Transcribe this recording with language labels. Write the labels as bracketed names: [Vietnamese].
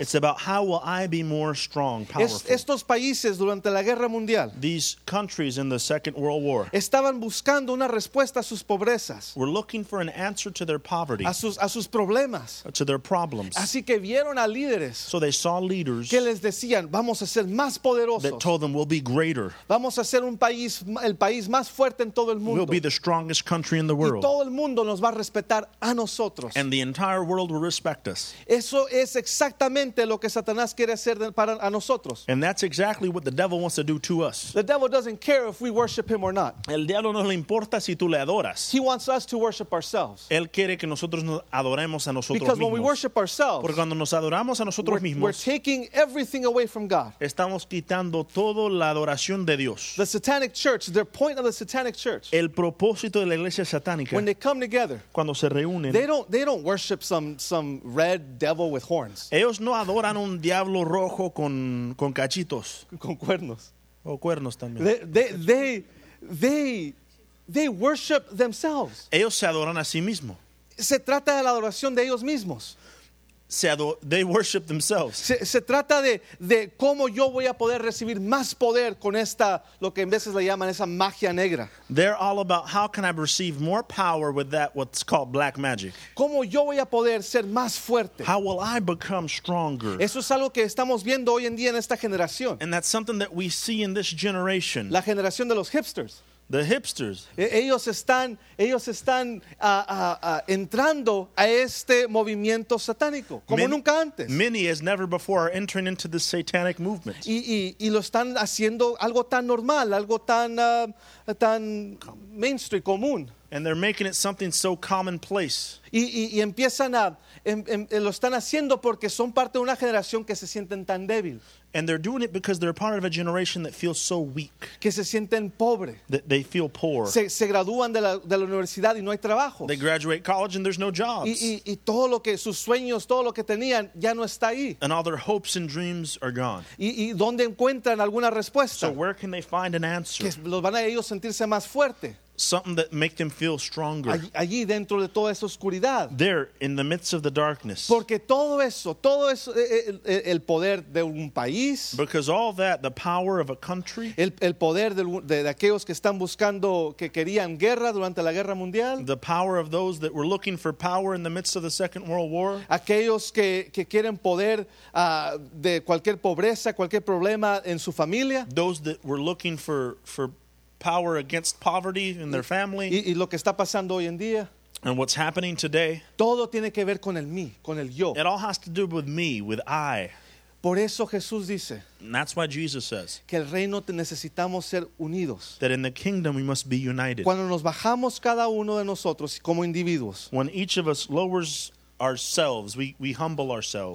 [English] It's about how will I be more strong, powerful. [Spanish] Estos países durante la guerra mundial, [English] these countries in the Second World War, [Spanish] estaban buscando una respuesta a sus pobrezas. [English] Were looking for an answer to their poverty. [Spanish] A sus problemas. [English] To their problems. [Spanish] Así que vieron a líderes. [English] So they saw leaders. [Spanish] Que les decían, vamos a ser más poderosos. [English] That told them we'll be greater. [Spanish] Vamos a ser un país, el país más fuerte en todo el mundo. [English] We'll be the strongest country in the world. [Spanish] Todo el mundo nos va a respetar a nosotros. [English] And the entire world will respect us. [Spanish] Eso es exactamente lo que Satanás quiere hacer para a nosotros. [English] And that's exactly what the devil wants to do to us. The devil doesn't care if we worship him or not. [Spanish] El diablo no le importa si tú le adoras. [English] He wants us to worship ourselves. [Spanish] Él quiere que nosotros nos adoremos a nosotros mismos. [English] Because when we worship ourselves, [Spanish] porque cuando nos adoramos a nosotros mismos, [English] we're taking everything away from God. [Spanish] Estamos quitando toda la adoración de Dios. [English] The satanic church, the point of the satanic church. [Spanish] El propósito de la iglesia satánica. [English] When they come together, [Spanish] cuando se reúnen, [English] they don't worship some red devil with horns. [Spanish] Ellos no adoran un diablo rojo con cachitos, con cuernos, o cuernos también. [English] They worship themselves. [Spanish] Ellos se adoran a sí mismos. Se trata de la adoración de ellos mismos. [English] They worship themselves. [Spanish] Se trata de cómo yo voy a poder recibir más poder con esta, lo que en veces le llaman esa magia negra. [English] They're all about how can I receive more power with that, what's called black magic. [Spanish] Cómo yo voy a poder ser más fuerte. [English] How will I become stronger? [Spanish] Eso es algo que estamos viendo hoy en día en esta generación. [English] And that's something that we see in this generation. [Spanish] La generación de los hipsters. [English] The hipsters. [Spanish] Ellos están entrando a este movimiento satánico como [English] many, [Spanish] nunca antes. [English] Many as never before are entering into the satanic movement. [Spanish] Y lo están haciendo algo tan normal, algo tan mainstream, común. [English] And they're making it something so commonplace. [Spanish] Y empiezan a lo están haciendo porque son parte de una generación que se sienten tan débil. [English] And they're doing it because they're part of a generation that feels so weak. [Spanish] Que se sienten pobre. [English] That they feel poor. [Spanish] Se gradúan de la universidad y no hay trabajos. [English] They graduate college and there's no jobs. [Spanish] Y todo lo que sus sueños, todo lo que tenían, ya no está ahí. [English] And all their hopes and dreams are gone. [Spanish] Y dónde encuentran alguna respuesta? [English] So where can they find an answer? [Spanish] Que los van a ellos sentirse más fuerte. [English] Something that make them feel stronger. [Spanish] Allí dentro de toda esa oscuridad. [English] There in the midst of the darkness. [Spanish] Porque todo eso, el poder de un país. [English] Because all that, the power of a country. [Spanish] El poder de aquellos que están buscando, que querían guerra durante la guerra mundial. [English] The power of those that were looking for power in the midst of the Second World War. [Spanish] Aquellos que quieren poder de cualquier pobreza, cualquier problema en su familia. [English] Those that were looking for power against poverty in their family. [Spanish] Y lo que está pasando hoy en día. [English] And what's happening today. [Spanish] Todo tiene que ver con el mí, con el yo. [English] It all has to do with me, with I. [Spanish] Por eso Jesús dice. [English] And that's why Jesus says. [Spanish] Que el reino necesitamos ser unidos. [English] That in the kingdom we must be united. [Spanish] Cuando nos bajamos cada uno de nosotros como individuos. [English] When each of us lowers ourselves, we humble ourselves.